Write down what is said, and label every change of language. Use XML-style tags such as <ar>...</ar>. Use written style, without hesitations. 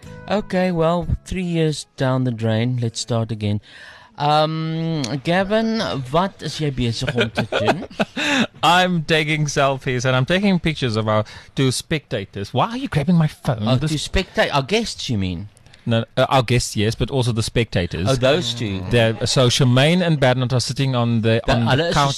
<en>Okay, well, 3 years down the drain, let's start again.</en> <af>Gavin, wat is jy besig om te doen?</af> <en>I'm taking selfies and I'm taking pictures of our two spectators. Why are you grabbing my phone? Oh, two spectators, our guests, you mean? No, our guests, yes, but also the spectators. Oh, those two. So Charmaine and Bernard are sitting on the couches.</en>